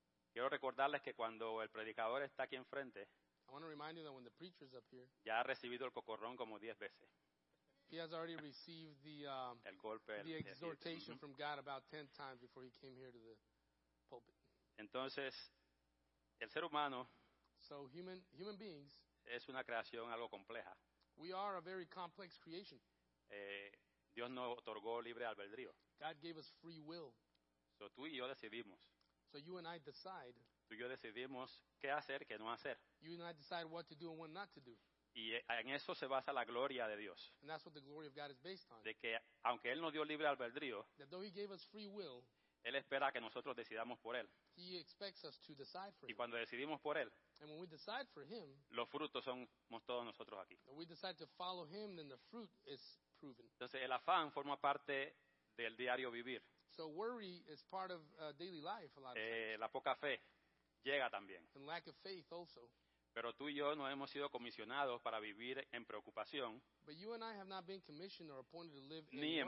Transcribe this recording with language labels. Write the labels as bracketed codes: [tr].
[es] Quiero recordarles que cuando el predicador está aquí enfrente, [en] I want to remind you that when the preacher is up here, [es] ya ha recibido el cocorrón como 10 veces. [en] He has already received the exhortation from God about 10 times before he came here to the pulpit. [es] Entonces, el ser humano, [en] so human beings, [es] es una creación algo compleja. [en] We are a very complex creation. [es] Dios nos otorgó libre albedrío. [en] God gave us free will. [es] So tú y yo decidimos. [en] So you and I decide. [es] Tú y yo decidimos qué hacer, qué no hacer. [en] You and I decide what to do and what not to do. [es] Y en eso se basa la gloria de Dios. [en] And that's what the glory of God is based on. [es] De que aunque Él nos dio libre albedrío, [en] that though He gave us free will, [es] Él espera que nosotros decidamos por Él. [en] He expects us to decide for [es] Him. Y cuando decidimos por Él, [en] and when we decide for Him, [es] los frutos somos todos nosotros aquí. [en] When we decide to follow Him, then the fruit is proven. [es] Entonces el afán forma parte del diario vivir. [en] So worry is part of daily life a lot of times. [es] La poca fe llega también. [en] And lack of faith also. [es] Pero tú y yo no hemos sido comisionados para vivir en preocupación ni en